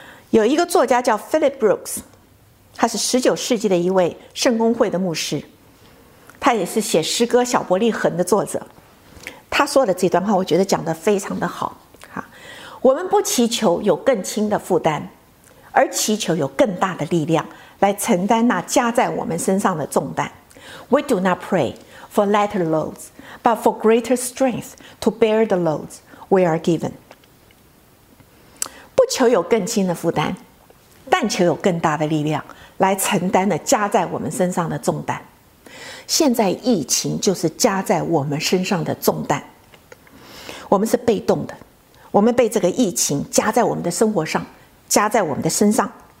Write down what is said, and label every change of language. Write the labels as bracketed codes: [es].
[zh] 有一个作家叫 Philip Brooks，他是19世纪的一位圣公会的牧师，他也是写诗歌《小伯利恒》的作者。他说的这段话我觉得讲得非常的好，我们不祈求有更轻的负担，而祈求有更大的力量来承担那加在我们身上的重担。 [en] We do not pray for lighter loads, but for greater strength to bear the loads we are given. [zh] 不求有更轻的负担，但求有更大的力量来承担那加在我们身上的重担。现在疫情就是加在我们身上的重担，我们是被动的，我们被这个疫情加在我们的生活上，加在我们的身上。